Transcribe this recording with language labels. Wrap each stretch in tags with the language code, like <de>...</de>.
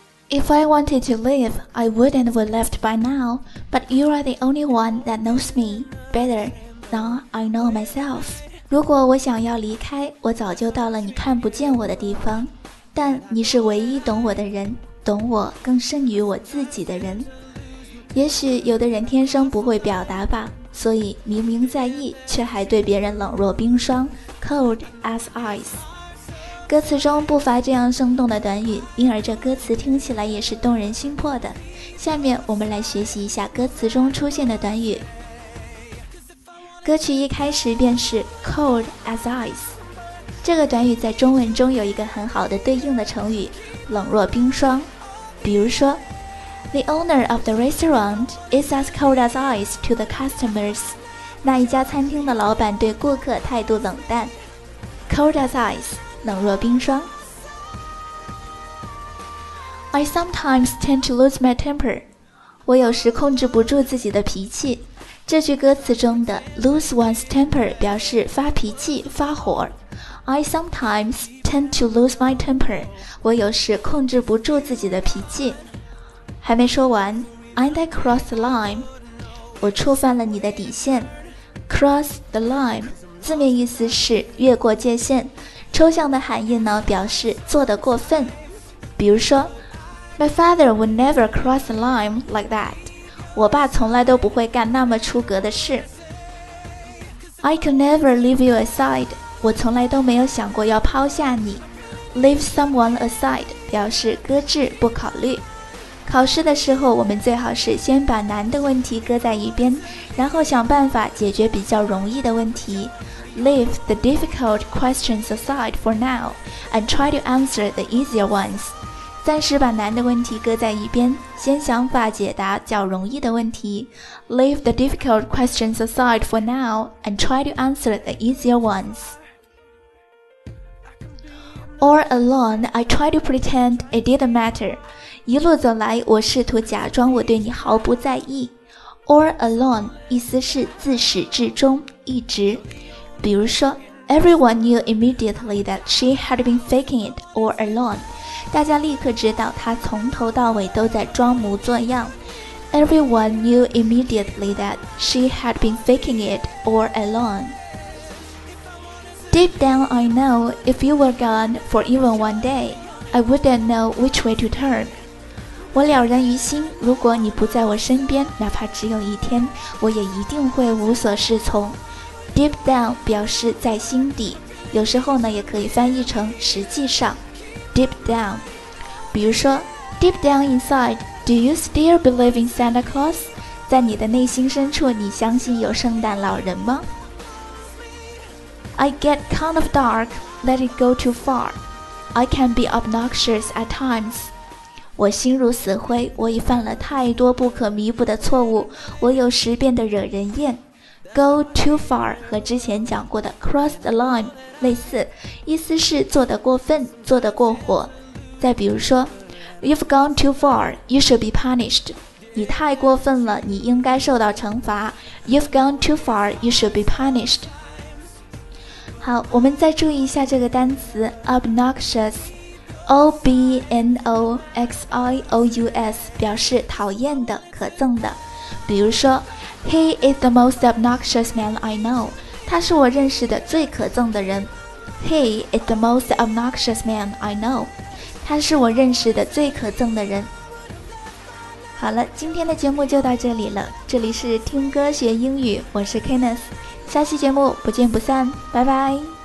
<en>If I wanted to live, I wouldn't have left by now, but you are the only one that knows me better than I know myself.</en> <zh>如果我想要离开，我早就到了你看不见我的地方，但你是唯一懂我的人，懂我更胜于我自己的人。也许有的人天生不会表达吧，所以明明在意，却还对别人冷若冰霜，</zh> <en>cold as ice。</en> <zh>歌词中不乏这样生动的短语，因而这歌词听起来也是动人心魄的。下面我们来学习一下歌词中出现的短语。歌曲一开始便是</zh> <en>cold as ice，</en> <zh>这个短语在中文中有一个很好的对应的成语，冷若冰霜。比如说，</zh> <en>The owner of the restaurant is as cold as ice to the customers.</en> <zh>那一家餐厅的老板对顾客态度冷淡。</zh> <en>Cold as ice,</en> <zh>冷若冰霜。</zh> <en>I sometimes tend to lose my temper.</en> <zh>我有时控制不住自己的脾气。这句歌词中的</zh> <en>lose one's temper</en> <zh>表示发脾气、发火。</zh> <en>I sometimes tend to lose my temper.</en> <zh>我有时控制不住自己的脾气。还没说完 ，</zh> <en>And I cross the line.</en> <zh>我触犯了你的底线。</zh> <en>Cross the line</en> <zh>字面意思是越过界限，抽象的含义呢表示做得过分。比如说</zh> <en>，My father would never cross the line like that.</en> <zh>我爸从来都不会干那么出格的事。</zh> <en>I could never leave you aside.</en> <zh>我从来都没有想过要抛下你。</zh> <en>Leave someone aside</en> <zh>表示搁置、不考虑。考试的时候，我们最好是先把难的问题搁在一边，然后想办法解决比较容易的问题。</zh> <en>Leave the difficult questions aside for now and try to answer the easier ones.</en> <zh>暂时把难的问题搁在一边，先想法解答较容易的问题。</zh> <en>Leave the difficult questions aside for now and try to answer the easier ones. All alone, I try to pretend it didn't matter.</en> <zh>一路走来，我试图假装我对你毫不在意。</zh> <en>All alone</en> <zh>意思是自始至终一直。比如说</zh> <en>，Everyone knew immediately that she had been faking it all alone。</en> <zh>大家立刻知道她从头到尾都在装模作样。</zh> <en>Everyone knew immediately that she had been faking it all alone。 Deep down, I know if you were gone for even one day, I wouldn't know which way to turn.</en> <zh>我了然于心，如果你不在我身边，哪怕只有一天，我也一定会无所适从。</zh> <en>Deep down</en> <zh>表示在心底，有时候呢也可以翻译成实际上。</zh> <en>Deep down，</en> <zh>比如说</zh> <en>，Deep down inside， do you still believe in Santa Claus？</en> <zh>在你的内心深处，你相信有圣诞老人吗 ？</zh> <en>I get kind of dark, let it go too far. I can be obnoxious at times.</en> <zh>我心如死灰，我已犯了太多不可弥补的错误，我有时变得惹人厌。</zh> <en>Go too far</en> <zh>和之前讲过的</zh> <en>cross the line</en> <zh>类似，意思是做得过分，做得过火。再比如说</zh> <en>You've gone too far, you should be punished.</en> <zh>你太过分了，你应该受到惩罚。</zh> <en>You've gone too far, you should be punished.</en> <zh>好，我们再注意一下这个单词 obnoxious。 Obnoxious 表示讨厌的、可憎的。比如说</zh> <en>，He is the most obnoxious man I know.</en> <zh>他是我认识的最可憎的人。</zh> <en>He is the most obnoxious man I know.</en> <zh>他是我认识的最可憎的人。好了，今天的节目就到这里了。这里是听歌学英语，我是 Kenneth。下期节目不见不散，拜拜。</zh>